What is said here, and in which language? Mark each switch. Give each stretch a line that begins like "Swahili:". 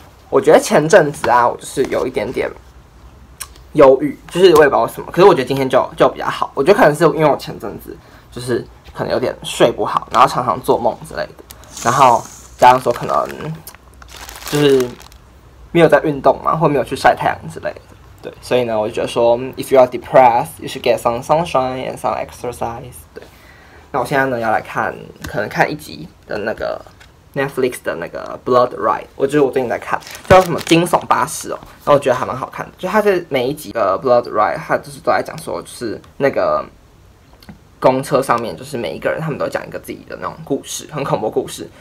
Chinese: 我觉得前阵子啊，我就是有一点点忧郁，就是我也不知道什么。可是我觉得今天就比较好。我觉得可能是因为我前阵子就是可能有点睡不好，然后常常做梦之类的，然后加上说可能就是没有在运动嘛，或没有去晒太阳之类的。对，所以呢，我就觉得说
English: ，if you are depressed, you should get some sunshine and some exercise。
Chinese: 对，那我现在呢要来看，可能看一集的那个。 Netflix 的那个 Blood Ride， 我觉得我最近在看，叫什么惊悚巴士哦，然后我觉得还蛮好看的，就它是每一集的 Blood Ride， 它就是都在讲说，就是那个公车上面，就是每一个人他们都讲一个自己的那种故事，很恐怖故事。